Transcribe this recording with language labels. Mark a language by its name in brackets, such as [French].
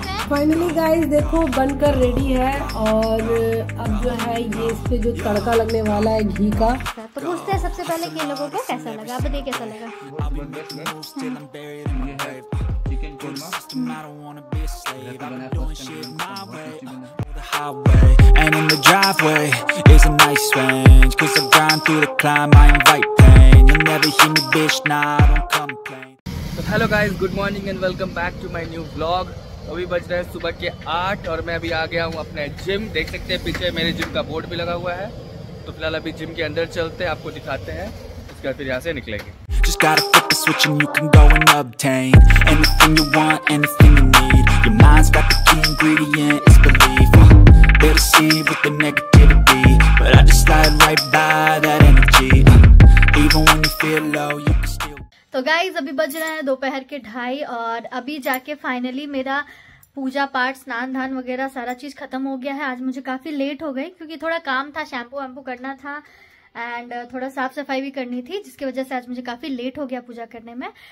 [Hindi] Finally guys देखो बनकर ready है और अब जो है ये इस पे जो तड़का लगने वाला है घी का, तो पूछते हैं सबसे पहले कि इन लोगों को कैसा लगा, बताइए कैसा लगा। [English] Highway and in the driveway is a nice range. 'Cause I grind through the climb, I invite pain. You'll never hear me, bitch. Nah, I don't complain. So hello guys, good morning and welcome back to my new vlog. [Hindi] अभी बज रहे हैं सुबह के 8 और मैं अभी आ गया हूँ अपने जिम। देख सकते हैं पीछे मेरे जिम का बोर्ड भी लगा हुआ है, तो फिलहाल अभी जिम के अंदर चलते हैं, आपको दिखाते हैं, उसके बाद फिर यहाँ से निकलेंगे। [English] Just gotta flip the switch and you can go and obtain anything you want, anything you need. Your mind's got the key ingredient, it's belief. Better see with the negativity, but I just slide right by that energy. Even when you feel low, you can still. [Hindi] तो guys अभी बज रहे हैं दोपहर के 2:30 और अभी जाके फाइनली मेरा पूजा पाठ स्नान धान वगैरह सारा चीज खत्म हो गया है। आज मुझे काफी लेट हो गई क्योंकि थोड़ा काम था, शैम्पू वैम्पू करना था एंड थोड़ा साफ सफाई भी करनी थी, जिसकी वजह से आज मुझे काफी लेट हो गया पूजा करने में।